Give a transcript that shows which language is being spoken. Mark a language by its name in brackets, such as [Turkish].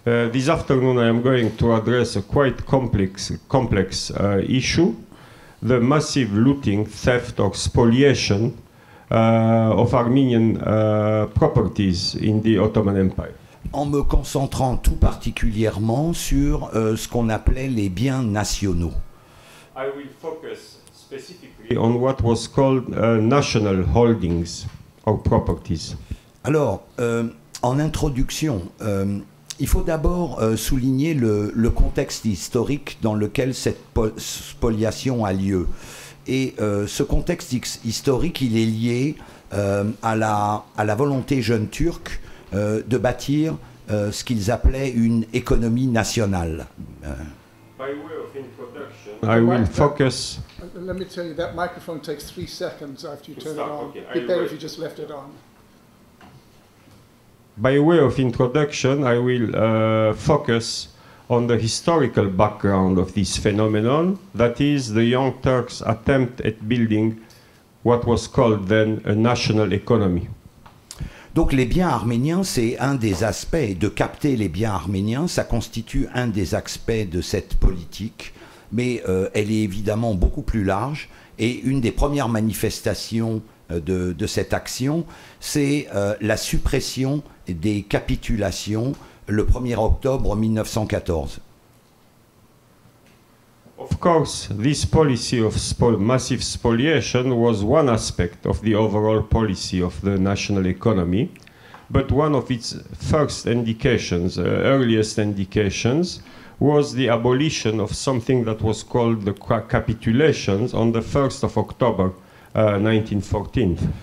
[English] This afternoon, I am going to address a quite complex issue. The massive looting, theft, or spoliation of Armenian properties in the Ottoman Empire. [French] En me concentrant tout particulièrement sur ce qu'on appelait les biens nationaux. [English] I will focus specifically on what was called national holdings or properties. [French] Alors, en introduction, il faut d'abord souligner le contexte historique dans lequel cette spoliation a lieu. Et ce contexte historique, il est lié à la volonté jeune turque de bâtir ce qu'ils appelaient une économie nationale. [English] By way of introduction, I will focus. Let me tell you, that microphone takes 3 seconds after you turn it on. Okay. It'd be better if you just left it on. By way of introduction, I will focus on the historical background of this phenomenon, that is the Young Turks' attempt at building what was called then a national economy. [French] Donc les biens arméniens, c'est un des aspects de capter les biens arméniens, ça constitue un des aspects de cette politique, mais elle est évidemment beaucoup plus large, et une des premières manifestations de cette action, c'est la suppression des capitulations le 1er octobre 1914. [English] Of course, this policy of massive spoliation was one aspect of the overall policy of the national economy, but one of its first indications, earliest indications, was the abolition of something that was called the capitulations on the 1st of October 1914.